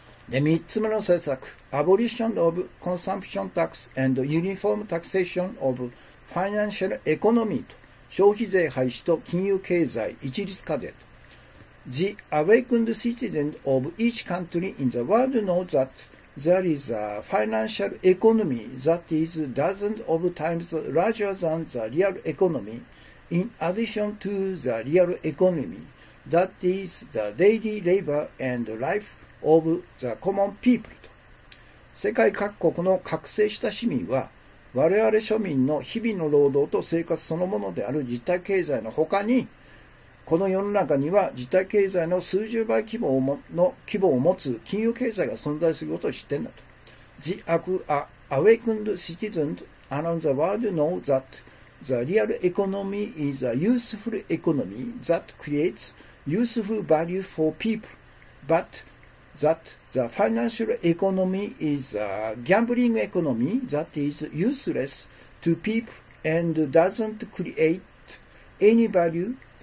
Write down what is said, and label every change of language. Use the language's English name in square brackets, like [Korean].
[Japanese] で、3つ目の政策、 [English] Abolition of Consumption Tax and Uniform Taxation of Financial Economy と。 [Japanese] 消費税廃止と金融経済一律課税と。 [English] The awakened citizens of each country in the world know that there is a financial economy that is dozens of times larger than the real economy in addition to the real economy that is the daily labor and life of the common people と。 [Japanese] 世界各国の覚醒した市民は我々庶民の日々の労働と生活そのものである実体経済の他に、この世の中には実体経済の数十倍規模の規模を持つ金融経済が存在することを知ってんだと。 [English] The awakened citizens around the world know that the real economy is a useful economy that creates useful value for people, but that the financial economy is a gambling economy that is useless to people and doesn't create any value.